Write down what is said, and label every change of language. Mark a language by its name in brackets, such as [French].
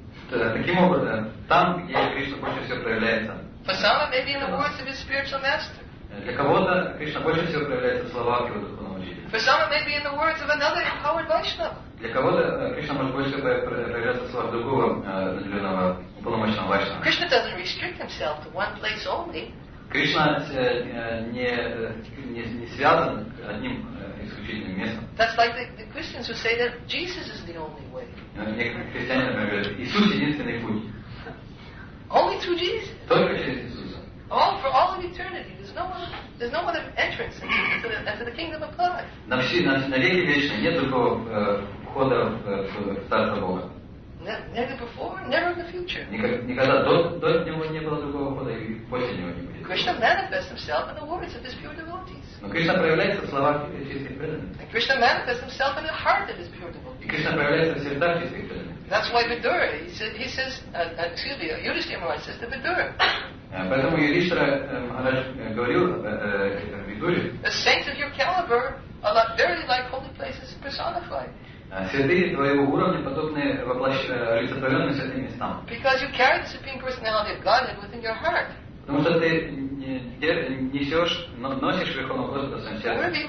[Russian] Таким образом, там, где Кришна больше всего проявляется. [English] For some, maybe in the words of his spiritual master. [Russian] Для кого-то Кришна больше всего проявляется в словах его духовного учителя. [English] For some, maybe in the words of another empowered Vaishnava. [Russian] Для кого-то Кришна может больше всего проявляться в словах другого зеленого полномочного Вайшнава. [English] Krishna doesn't restrict himself to one place only. [Russian] Кришна не связан одним исключительным местом. [English] That's like the Christians who say that Jesus is the only way. [Russian] Некоторые христиане говорят, Иисус единственный путь. [English] Only through Jesus. [Russian] Только через Иисуса. [English] All for all of eternity. There's no other entrance into the kingdom of God. [Russian] На веки вечные нет другого входа в Царство Бога. [English] Never before, never in the future. [Russian] Никогда до него не было другого входа и после него не было. [English] Krishna manifests himself in the words of his pure devotees. [Russian] Но Кришна проявляется в словах чистых преданных. [English] Krishna manifests himself in the heart of his pure devotees. [Russian] И Кришна проявляется в сердцах чистых преданных. [English] That's why Vidura, he says, Yudhishthira Maharaj says the Vidura. [Russian] Поэтому Юдиштхира Махарадж говорил о Видуре. [English] The saints of your caliber are not very like holy places personified. [Russian] Святые твоего уровня подобны олицетворенным святым местам. [English] Because you carry the supreme personality of Godhead within your heart. [Russian] Потому что ты носишь Верховного Господа в своем